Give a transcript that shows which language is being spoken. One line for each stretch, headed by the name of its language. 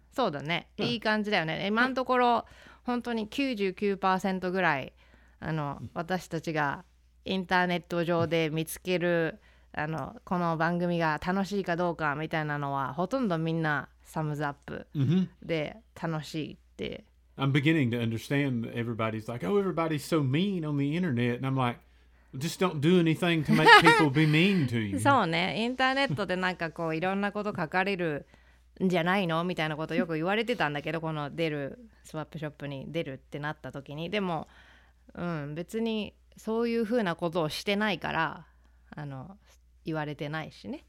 Japanese: そうだね、yeah. いい感じだよね今のところ本当に 99% ぐらい私たちがインターネット上で見つけるこの番組が楽しいかどうかみたいなのはほとんどみんなサムズアップで楽しいって、 mm-hmm.
English: I'm beginning to understand that everybody's like oh everybody's so mean on the internet and I'm like just don't do anything to make people be mean to you
Japanese: そうねインターネットでなんかこういろんなこと書かれるんじゃないのみたいなことよく言われてたんだけどこの出るスワップショップに出るってなった時にでも、うん、別にそういうふうなことをしてないから言われてないしね、